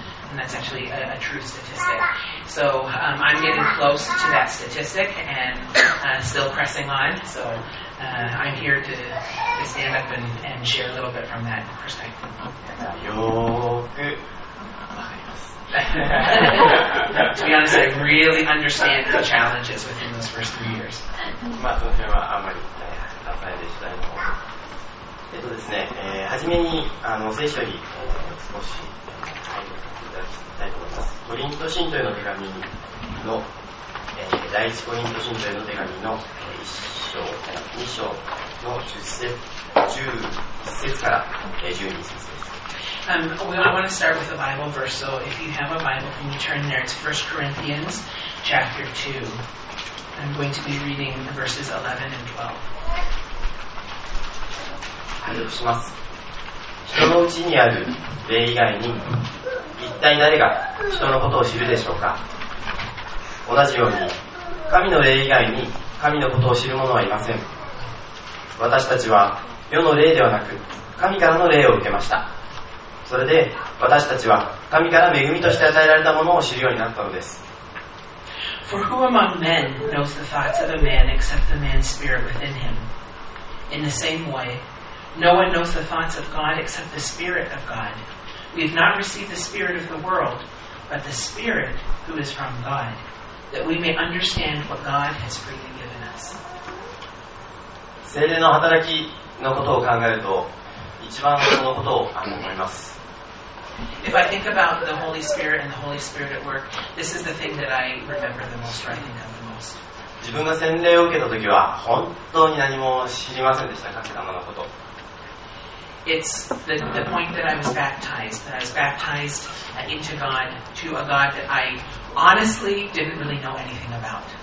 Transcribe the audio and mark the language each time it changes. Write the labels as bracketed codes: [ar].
[en] And that's actually a true statistic. So, I'm getting close to that statistic and, still pressing on. So, I'm here to stand up and share a little bit from that perspective. [ja] よく [en] To be honest, I really understand the challenges within those first 3 years. [ja] まあ、その辺はあんまり大変なでしたね。ですね、初めに聖書に、少し入っていただきたいと思います。コリント信徒への手紙の、第一コリント信徒への手紙の、1章、2章の10節から12節です。 [en] I want to start with a Bible verse, so if you have a Bible, can you turn there? It's 1 Corinthians chapter 2. I'm going to be reading verses 11 and 12. [ja] 反応します。人のうちにある霊以外に、一体誰が人のことを知るでしょうか？同じように、神の霊以外に神のことを知る者はいません。私たちは世の霊ではなく、神からの霊を受けました。それで私たちは神から恵みとして与えられたものを知るようになったのです。 [en] For who among men knows the thoughts of a man except the man's spirit within him? In the same way, no one knows the thoughts of God except the spirit of God. We have not received the spirit of the world, but the spirit who is from God, that we may understand what God has freely given us. [ja] 聖霊の働きのことを考えると、一番そのことを思います。 [en] If I think about the Holy Spirit and the Holy Spirit at work, this is the thing that I remember the most, I think of the most. [ja] 自分が洗礼を受けた時は本当に何も知りませんでした、神様のこと。 [en] It's the point that I was baptized, that I was baptized into God, to a God that I honestly didn't really know anything about.